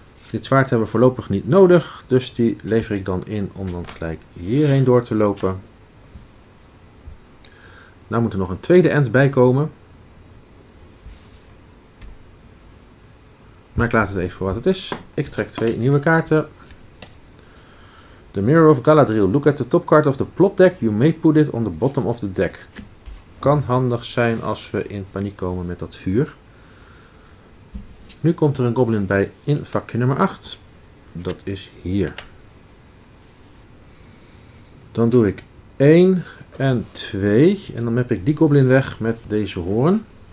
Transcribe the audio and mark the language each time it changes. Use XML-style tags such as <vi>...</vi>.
<nl>Dit zwaard hebben we voorlopig niet nodig, dus die lever ik dan in om dan gelijk hierheen door te lopen. Nou moet er nog een tweede end bij komen. Maar ik laat het even voor wat het is. Ik trek twee nieuwe kaarten.</nl> <en>The Mirror of Galadriel. Look at the top card of the plot deck. You may put it on the bottom of the deck.</en> <nl>Kan handig zijn als we in paniek komen met dat vuur. Nu komt er een goblin bij in vakje nummer 8. Dat is hier. Dan doe ik 1 en 2. En dan map ik die goblin weg met deze hoorn.</nl>